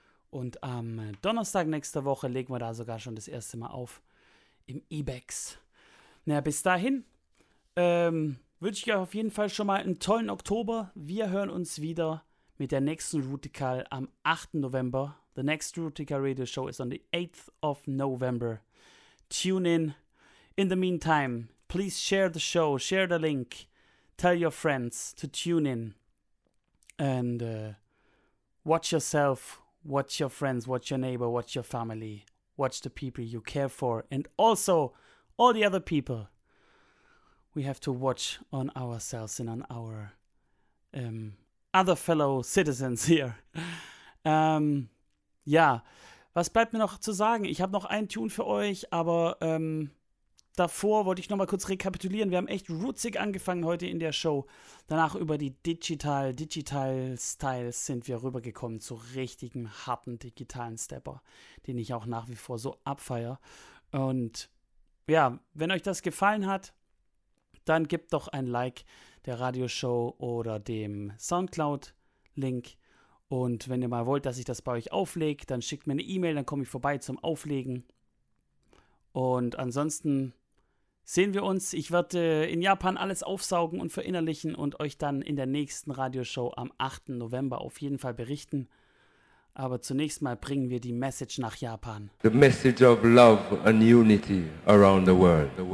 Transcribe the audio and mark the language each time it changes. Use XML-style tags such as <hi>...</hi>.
<de>Und am Donnerstag nächster Woche legen wir da sogar schon das erste Mal auf im Ibex. Na ja, bis dahin wünsche ich euch auf jeden Fall schon mal einen tollen Oktober. Wir hören uns wieder mit der nächsten Rootikal am 8. November.</de> <en>The next Rootikal Radio Show is on the 8th of November. Tune in. In the meantime, please share the show, share the link. Tell your friends to tune in. And watch yourself, watch your friends, watch your neighbor, watch your family. Watch the people you care for. And also, all the other people. We have to watch on ourselves and on our other fellow citizens here.</en> <de>Ja, was bleibt mir noch zu sagen? Ich habe noch einen Tune für euch, aber davor wollte ich nochmal kurz rekapitulieren. Wir haben echt rootsig angefangen heute in der Show. Danach über die Digital-Styles sind wir rübergekommen zu richtigen, harten, digitalen Stepper, den ich auch nach wie vor so abfeier. Und ja, wenn euch das gefallen hat, dann gebt doch ein Like der Radioshow oder dem Soundcloud-Link. Und wenn ihr mal wollt, dass ich das bei euch auflege, dann schickt mir eine E-Mail, dann komme ich vorbei zum Auflegen. Und ansonsten sehen wir uns. Ich werde in Japan alles aufsaugen und verinnerlichen und euch dann in der nächsten Radioshow am 8. November auf jeden Fall berichten. Aber zunächst mal bringen wir die Message nach Japan.</de> <en>The message of love and unity around the world.</en>